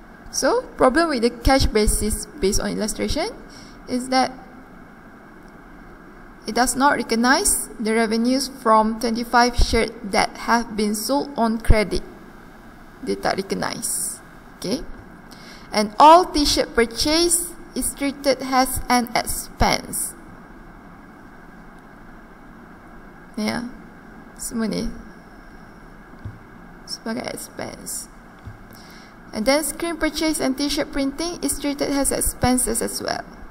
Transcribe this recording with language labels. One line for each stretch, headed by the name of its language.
English: So problem with the cash basis based on illustration is that it does not recognize the revenues from 25 shares that have been sold on credit.
Malay: Dia tak recognize.
English: Okay. And all T-shirt purchase is treated as an expense. Yeah.
Malay: Semua ni sebagai expense.
English: And then screen purchase and T-shirt printing is treated as expenses as well.